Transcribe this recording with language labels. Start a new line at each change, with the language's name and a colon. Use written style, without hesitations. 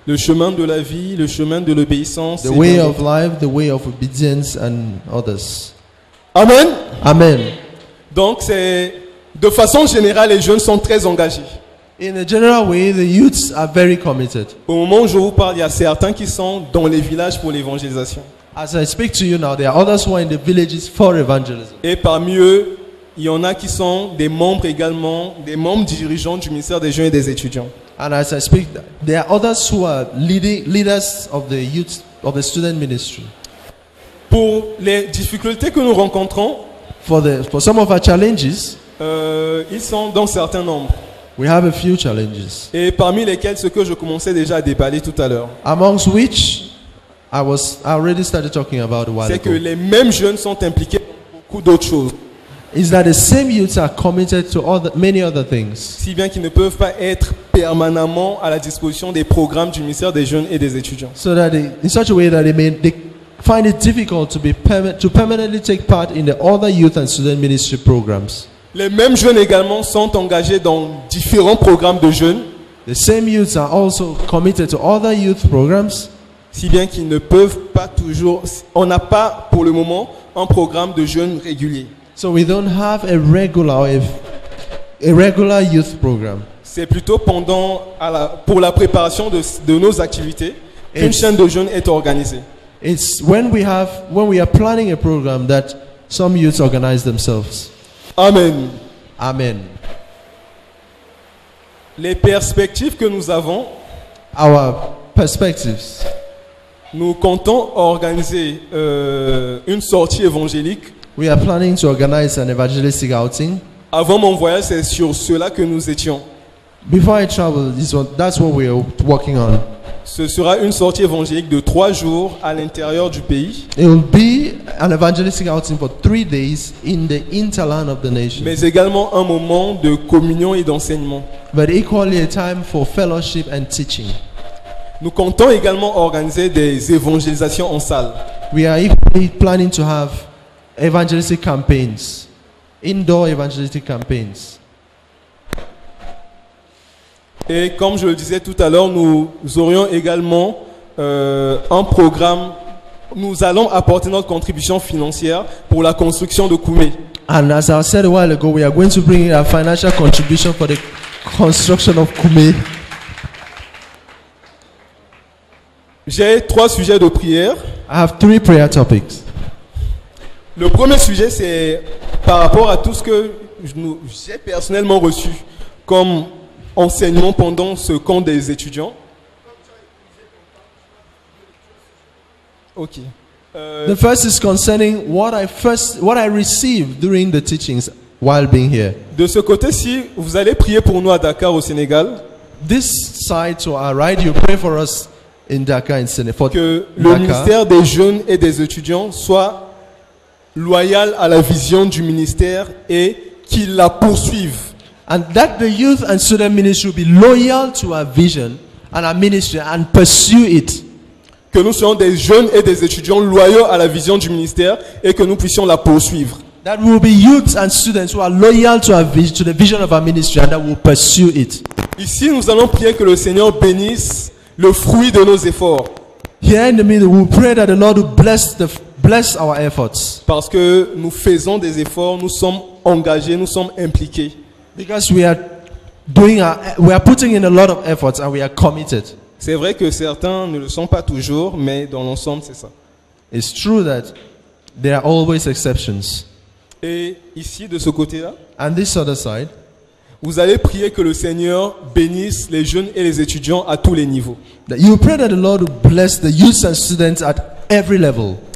French: Le chemin de la vie, le chemin de l'obéissance.
English: The way of life, the way of obedience and others. Amen. Amen.
French: Donc c'est de façon générale, les jeunes sont très engagés.
English: In a general way, the youths are very committed.
French: Au moment où je vous parle, il y a certains qui sont dans les villages pour l'évangélisation.
English: As I speak to you now, there are others who are in the villages for evangelism.
French: Et parmi eux, il y en a qui sont des membres également, des membres dirigeants du ministère des jeunes et des étudiants.
English: And as I speak, there are others who are leaders of the youth of the student ministry.
French: Pour les difficultés que nous rencontrons,
English: for some of our challenges,
French: ils sont dans certains nombres.
English: We have a few challenges.
French: Et parmi lesquels ce que je commençais déjà à déballer tout à l'heure.
English: Amongst which I already started talking about a while ago.
French: C'est que les mêmes jeunes sont impliqués dans beaucoup d'autres choses.
English: Is that the same youths are committed to many other things.
French: Si bien qu'ils ne peuvent pas être permanemment à la disposition des programmes du ministère des jeunes et des étudiants.
English: So that in such a way that they find it difficult to permanently take part in the other youth and student ministry programs.
French: Les mêmes jeunes également sont engagés dans différents programmes de jeunes.
English: The same youths are also committed to other youth programs.
French: Si bien qu'ils ne peuvent pas toujours, on n'a pas pour le moment un programme de jeunes régulier.
English: So we don't have a regular youth program.
French: C'est plutôt pour la préparation de nos activités qu'une chaîne de jeunes est organisée.
English: It's when we are planning a program that some youths organize themselves. Amen. Amen.
French: Les perspectives que nous avons,
English: our perspectives.
French: Nous comptons organiser une sortie évangélique.
English: We are planning to organize an evangelistic outing.
French: Avant mon voyage, c'est sur cela que nous étions.
English: Before I travel, that's what we are working on.
French: Ce sera une sortie évangélique de 3 jours à l'intérieur du pays.
English: It will be an evangelistic outing for 3 days in the interland of the nation.
French: Mais également un moment de communion et d'enseignement.
English: But equally a time for fellowship and teaching.
French: Nous comptons également organiser des évangélisations en salle.
English: We are equally planning to have evangelistic campaigns, indoor evangelistic campaigns.
French: Et comme je le disais tout à l'heure, nous aurions également un programme. Nous allons apporter notre contribution financière pour la construction de Koumé.
English: And as I said a while ago, we are going to bring in a financial contribution for the construction of Koumé.
French: J'ai 3 sujets de prière.
English: I have 3 prayer topics.
French: Le premier sujet, c'est par rapport à tout ce que j'ai personnellement reçu comme enseignement pendant ce camp des étudiants. Ok.
English: The first is concerning what I received during the teachings while being here.
French: De ce côté-ci, vous allez prier pour nous à Dakar au Sénégal.
English: This side to our right, you pray for us in Dakar in Sénégal.
French: Que le ministère des jeunes et des étudiants soit loyal à la vision du ministère et qu'il la poursuive.
English: And that the youth and student ministry will be loyal to our vision and our ministry and pursue it.
French: Que nous soyons des jeunes et des étudiants loyaux à la vision du ministère et que nous puissions la poursuivre.
English: That we will be youths and students who are loyal to our vision, to the vision of our ministry, and that we will pursue it.
French: Ici, nous allons prier que le Seigneur bénisse le fruit de nos efforts.
English: Here in the middle, we pray that the Lord will bless our efforts.
French: Parce que nous faisons des efforts, nous sommes engagés, nous sommes impliqués.
English: Because we are putting in a lot of efforts and we are committed.
French: C'est vrai que certains ne le sont pas toujours, mais dans l'ensemble, c'est ça.
English: It's true that there are always exceptions.
French: Et ici, de ce côté-là,
English: and this other side,
French: Vous allez prier que le Seigneur bénisse les jeunes et les étudiants à tous les niveaux.
English: You pray that the Lord will bless the youth and students at every level.